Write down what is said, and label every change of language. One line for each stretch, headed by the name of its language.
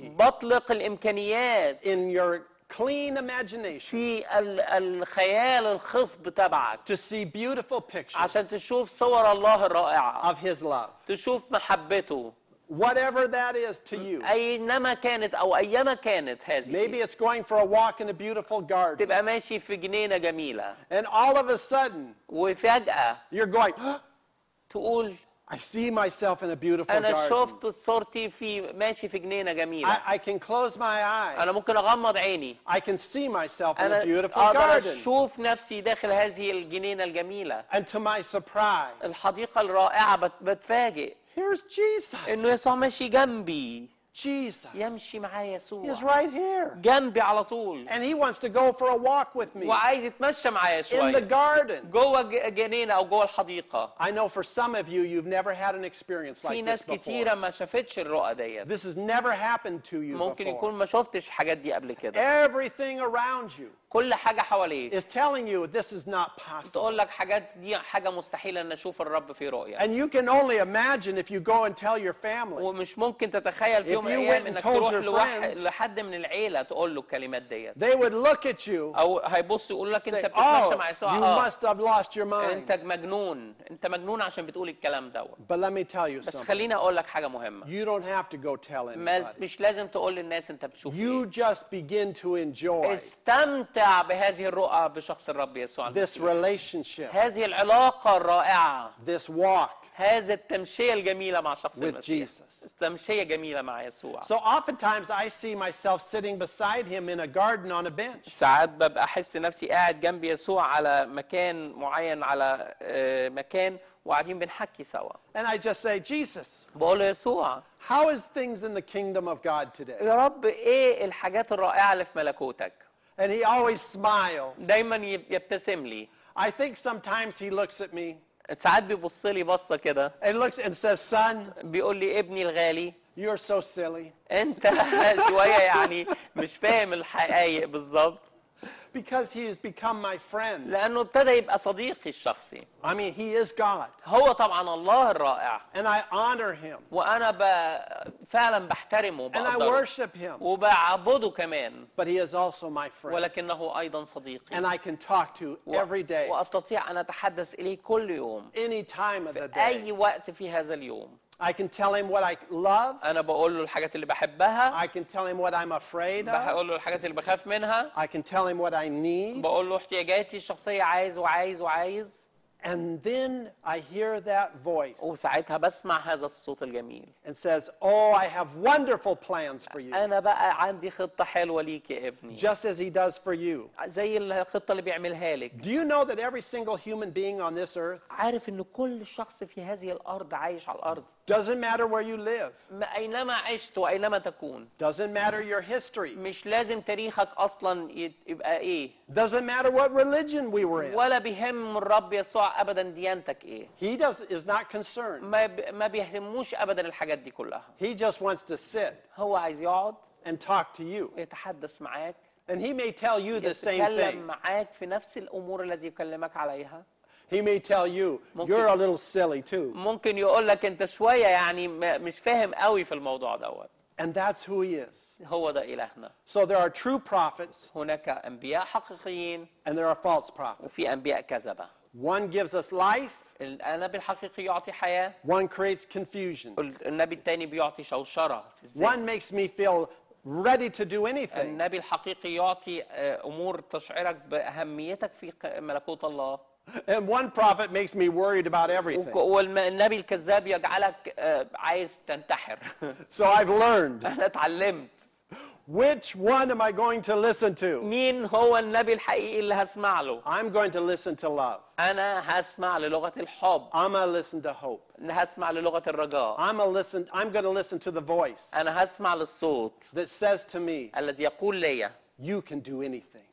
Arabic: بطلق الإمكانيات.
English: In your Clean imagination.
Arabic: في الخيال الخصب تبعك.
English: To see beautiful pictures.
Arabic: عشان تشوف صور الله الرائعة.
English: Of His love.
Arabic: تشوف محبته.
English: Whatever that is to you.
Arabic: أينما كانت أو أيما كانت هذه.
English: Maybe it's going for a walk in a beautiful garden.
Arabic: تبقى ماشي في جنينة جميلة.
English: And all of a sudden.
Arabic: وفجأة.
English: You're going.
Arabic: تقول.
English: I see myself in a beautiful garden.
Arabic: أنا شفت صورتي في ماشي في جنينة جميلة.
English: I can close my eyes.
Arabic: أنا ممكن أغمض عيني.
English: I can see myself in a beautiful garden.
Arabic: أنا أشوف نفسي داخل هذه الجنينة الجميلة.
English: And to my surprise.
Arabic: الحديقة الرائعة بتفاجئ.
English: Here's Jesus.
Arabic: إنه يسوع ماشي جنبي.
English: Jesus.
Arabic: يمشي معايا يسوع.
English: He's right here.
Arabic: جنبي على طول.
English: And he wants to go for a walk with me.
Arabic: وعايز يتمشى معايا شوية.
English: In the garden.
Arabic: جوه جنينة أو جوه الحديقة.
English: I know for some of you, you've never had an experience like this before.
Arabic: في ناس كتيرة ما شافتش الرؤى دي.
English: This has never happened to you before.
Arabic: ممكن يكون ما شفتش حاجات دي قبل كده.
English: Everything around you.
Arabic: كل حاجة حواليك.
English: Is telling you this is not possible.
Arabic: تقول لك حاجات دي حاجة مستحيلة أن أشوف الرب في رؤية.
English: And you can only imagine if you go and tell your family.
Arabic: ومش ممكن تتخيل في يوم من الأيام أنك تروح لحد من العيلة تقول له الكلمات دي.
English: They would look at you.
Arabic: أو هيبص يقول لك أنت بتتمشى مع يسوع.
English: You must have lost your mind.
Arabic: أنت مجنون. أنت مجنون عشان بتقول الكلام ده.
English: But let me tell you something.
Arabic: بس خليني أقول لك حاجة مهمة.
English: You don't have to go tell anybody.
Arabic: مش لازم تقول للناس أنت بتشوف.
English: You just begin to enjoy.
Arabic: استمتع بهذه الرؤى بشخص الرب يسوع المسيح.
English: This relationship.
Arabic: هذه العلاقة الرائعة.
English: This walk.
Arabic: هذا التمشية الجميلة مع شخص
English: with
Arabic: المسيح. تمشية جميلة مع يسوع.
English: So oftentimes I see myself sitting beside him in a garden on a bench.
Arabic: ساعات ببقى أحس نفسي قاعد جنب يسوع على مكان معين على مكان وقاعدين بنحكي سوا.
English: And I just say Jesus.
Arabic: بقول يسوع.
English: How is things in the kingdom of God today?
Arabic: يا رب إيه الحاجات الرائعة اللي في ملكوتك؟
English: And he always smiles.
Arabic: دايما يبتسم لي.
English: I think sometimes he looks at me.
Arabic: ساعات بيبص لي بصة كده.
English: And looks and says, "Son."
Arabic: بيقول لي ابني الغالي.
English: You're so silly.
Arabic: أنت شوية يعني مش فاهم الحقائق بالضبط.
English: Because he has become my friend.
Arabic: لأنه ابتدى يبقى صديقي الشخصي.
English: I mean, he is God.
Arabic: هو طبعا الله الرائع.
English: And I honor him.
Arabic: وأنا فعلا بحترمه بقدره.
English: And I worship him.
Arabic: وبعبده كمان.
English: But he is also my friend.
Arabic: ولكنه أيضا صديقي.
English: And I can talk to every day.
Arabic: وأستطيع أن أتحدث إليه كل يوم.
English: Any time of the day.
Arabic: أي وقت في هذا اليوم.
English: I can tell him what I love.
Arabic: أنا بقول له الحاجات اللي بحبها.
English: I can tell him what I'm afraid of.
Arabic: بقول له الحاجات اللي بخاف منها.
English: I can tell him what I need.
Arabic: بقول له احتياجاتي الشخصية عايز وعايز وعايز.
English: And then I hear that voice.
Arabic: وساعتها بسمع هذا الصوت الجميل.
English: And says, "Oh, I have wonderful plans for you."
Arabic: أنا بقى عندي خطة حلوة ليك يا ابني.
English: Just as he does for you.
Arabic: زي الخطة اللي بيعملها لك.
English: Do you know that every single human being on this earth?
Arabic: عارف إن كل شخص في هذه الأرض عايش على الأرض.
English: Doesn't matter where you live.
Arabic: ما أينما عشت وأينما تكون.
English: Doesn't matter your history.
Arabic: مش لازم تاريخك أصلاً يبقى إيه.
English: Doesn't matter what religion we were in.
Arabic: ولا بيهم الرب يسوع أبداً ديانتك إيه.
English: He does is not concerned.
Arabic: ما بيهموش أبداً الحاجات دي كلها.
English: He just wants to sit.
Arabic: هو عايز يقعد.
English: And talk to you.
Arabic: يتحدث معاك.
English: And he may tell you the same thing.
Arabic: يتكلم معاك في نفس الأمور التي يكلمك عليها.
English: He may tell you you're a little silly too.
Arabic: ممكن يقول لك انت شويه يعني مش فاهم قوي في الموضوع دوت.
English: And that's who he is.
Arabic: هو ده إلهنا.
English: So there are true prophets.
Arabic: هناك انبياء حقيقيين.
English: And there are false prophets.
Arabic: وفي انبياء كذبه.
English: One gives us life.
Arabic: النبي الحقيقي يعطي حياه.
English: One creates confusion.
Arabic: النبي الثاني بيعطي شوشره.
English: One makes me feel ready to do anything.
Arabic: النبي الحقيقي يعطي امور تشعرك باهميتك في ملكوت الله.
English: And one prophet makes me worried about everything.
Arabic: والنبي الكذاب يجعلك عايز تنتحر.
English: So I've learned.
Arabic: أنا اتعلمت.
English: Which one am I going to listen to?
Arabic: مين هو النبي الحقيقي اللي هسمع له؟
English: I'm going to listen to love.
Arabic: أنا هسمع للغة الحب.
English: I'm gonna listen to hope.
Arabic: هسمع للغة الرجاء.
English: I'm gonna listen to the voice.
Arabic: أنا هسمع للصوت.
English: That says to me.
Arabic: الذي يقول لي.
English: You can do anything.